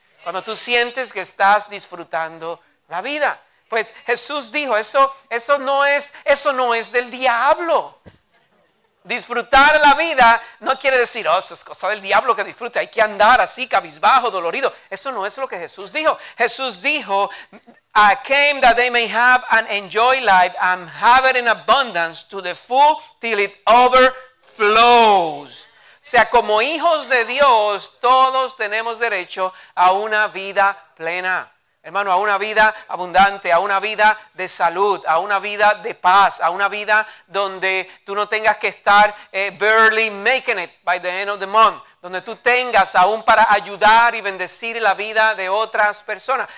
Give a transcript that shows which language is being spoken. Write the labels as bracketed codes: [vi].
[es] Cuando tú sientes que estás disfrutando la vida, pues Jesús dijo: eso no es del diablo. Disfrutar la vida no quiere decir: oh, eso es cosa del diablo que disfrute, hay que andar así cabizbajo, dolorido. Eso no es lo que Jesús dijo. Jesús dijo: [en] I came that they may have and enjoy life and have it in abundance to the full till it overflows. [es] O sea, como hijos de Dios, todos tenemos derecho a una vida plena. Hermano, a una vida abundante, a una vida de salud, a una vida de paz, a una vida donde tú no tengas que estar [en] barely making it by the end of the month, [es] donde tú tengas aún para ayudar y bendecir la vida de otras personas.